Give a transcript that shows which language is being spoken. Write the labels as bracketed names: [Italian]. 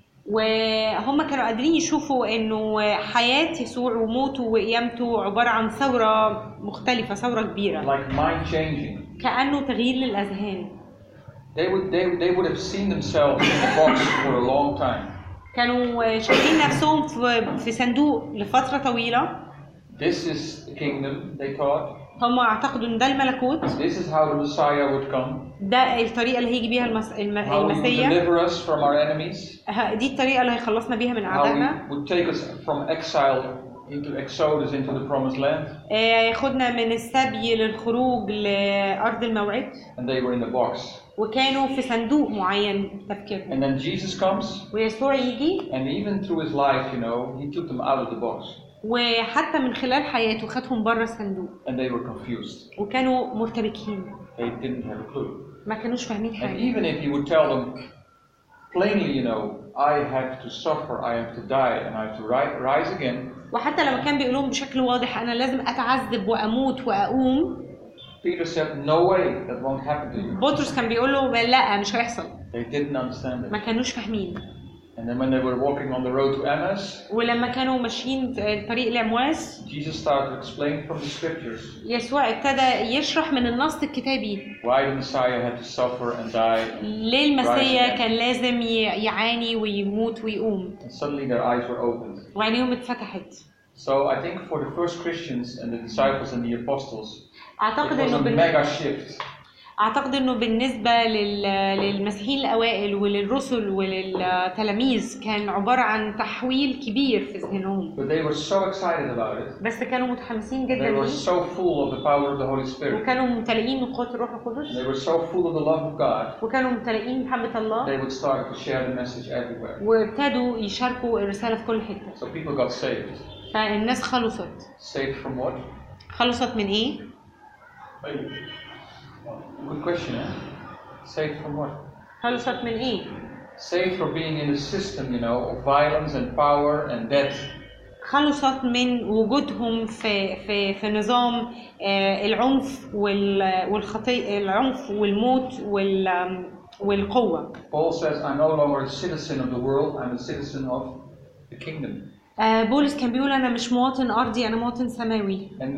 [Arabic] وهم كانوا قادرين يشوفوا إنه حياة يسوع وموته وقيامته عبارة عن ثورة مختلفة ثورة كبيرة. [English] Like mind changing. [Arabic] كأنه تغيير للأذهان. [English] They would have seen themselves in a box for a long time. [Arabic] كانوا شايفين نفسهم في صندوق لفترة طويلة. [English] This is the kingdom they thought. [Arabic] هم اعتقدوا ان ده الملكوت. [English] This is how the Messiah would come. [Arabic] ده الطريقه اللي هيجي بيها المسيح. [English] Deliver us from our enemies. [Arabic] دي الطريقه اللي هيخلصنا بيها من اعدائنا. [English] Would take us from exile into exodus into the promised land. [Arabic] ياخدنا من السبي للخروج لارض الموعد. [English] And they were in the box. [Arabic] وكانوا في صندوق معين تفكير. [English] And then Jesus comes. [Arabic] ويسوع يجي. [English] And even through his life, you know, he took them out of the box. [Arabic] وحتى من خلال حياته خدهم بره الصندوق. [English] And they were confused. [Arabic] وكانوا مرتبكين. [English] They didn't have a clue. [Arabic] ما كانوش فاهمين حاجة. [English] And even if he would tell them plainly, you know, I have to suffer, I have to die, and I have to rise again. [Arabic] وحتى لما كان بيقولهم بشكل واضح أنا لازم أتعذب وأموت وأقوم. [English] Peter said, "No way, that won't happen to you." [Arabic] بطرس كان بيقوله لا مش هيحصل. [English] They didn't understand it. [Arabic] ما كانواش فاهمين. [English] And then when they were walking on the road to Emmaus. [Arabic] ولما كانوا ماشيين طريق لأمواس. [English] Jesus started to explain from the scriptures. [Arabic] يسوع ابتدى يشرح من النص الكتابي. [English] Why the Messiah had to suffer and die. [Arabic] ليه المسيا كان لازم يعاني ويموت ويقوم. [English] And suddenly their eyes were opened. [Arabic] وعينيهم اتفتحت. [English] So I think for the first Christians and the disciples and the apostles. [Arabic] أعتقد [English] it was [Arabic] إنه [English] a mega shift. [Arabic] أعتقد إنه بالنسبة للمسيحيين الأوائل وللرسل وللتلاميذ كان عبارة عن تحويل كبير في ذهنهم. [English] But they were so excited about it. [Arabic] بس كانوا متحمسين جدا. [English] They were so full of the power of the Holy Spirit. [Arabic] وكانوا ممتلئين من قوة الروح القدس. [English] They were so full of the love of God. [Arabic] وكانوا ممتلئين بمحبة الله. [English] They would start to share the message everywhere. [Arabic] وابتدوا يشاركوا الرسالة في كل حتة. [English] So people got saved. [Arabic] فالناس خلصت. [English] Saved from what? [Arabic] خلصت من إيه؟ [English] Good question. Eh? Saved from what? [Arabic] خلصت من إيه؟ [English] Saved from being in a system, you know, of violence and power and death. [Arabic] خلصت من وجودهم في نظام العنف العنف والموت والقوة. [English] Paul says, "I'm no longer a citizen of the world. I'm a citizen of the kingdom." [Arabic] بولس كان بيقول أنا مش مواطن أرضي أنا مواطن سماوي.